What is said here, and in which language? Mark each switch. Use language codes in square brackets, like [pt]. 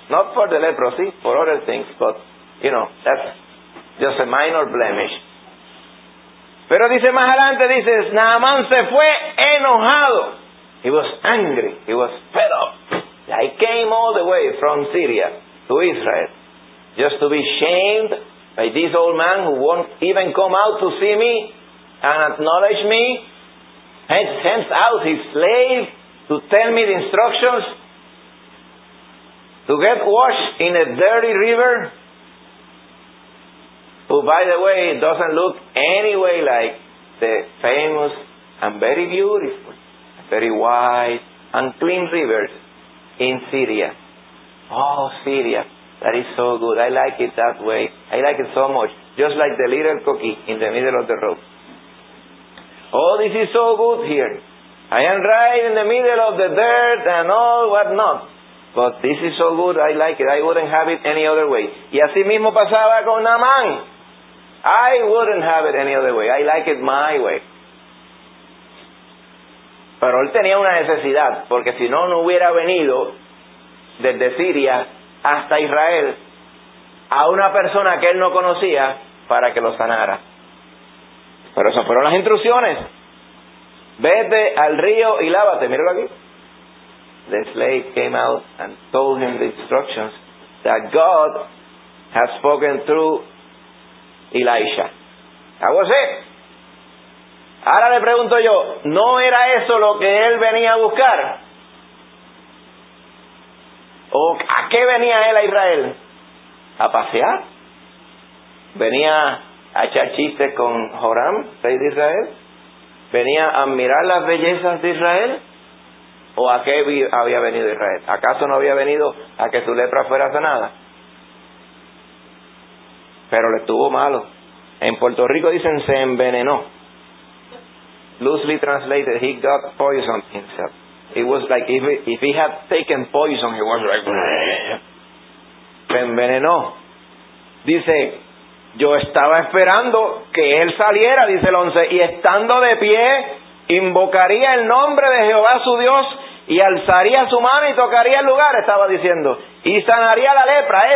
[en] Not for the leprosy, for other things, but, you know, that's just a minor blemish. [es] Pero dice más adelante, dice, Naamán se fue enojado. [en] He was angry. He was fed up. I came all the way from Syria to Israel just to be shamed by this old man who won't even come out to see me and acknowledge me. And sends out his slave to tell me the instructions to get washed in a dirty river, who, by the way, doesn't look any way like the famous and very beautiful, very wide and clean rivers in Syria. Oh, Syria. That is so good. I like it that way. I like it so much. Just like the little cookie in the middle of the road. Oh, this is so good here. I am right in the middle of the dirt and all what not. But this is so good, I like it. I wouldn't have it any other way. [es] Y así mismo pasaba con Naamán. [en] I wouldn't have it any other way. I like it my way. [es] Pero él tenía una necesidad, porque si no, no hubiera venido desde Siria hasta Israel a una persona que él no conocía para que lo sanara. Pero esas fueron las instrucciones. Vete al río y lávate. Míralo aquí. [en] The slave came out and told him the instructions that God has spoken through Elisha. That was it. [es] Ahora le pregunto yo, ¿no era eso lo que él venía a buscar? ¿O a qué venía él a Israel? ¿A pasear? ¿Venía a echar chistes con Joram, rey de Israel? ¿Venía a admirar las bellezas de Israel? ¿O a qué había venido Israel? ¿Acaso no había venido a que su lepra fuera sanada? Pero le estuvo malo. En Puerto Rico dicen se envenenó. [en] Loosely translated, he got poisoned himself. It was like if he had taken poison, he was like... [es] Se envenenó. Dice, yo estaba esperando que él saliera, dice el 11, y estando de pie, invocaría el nombre de Jehová su Dios y alzaría su mano y tocaría el lugar, estaba diciendo, y sanaría la lepra.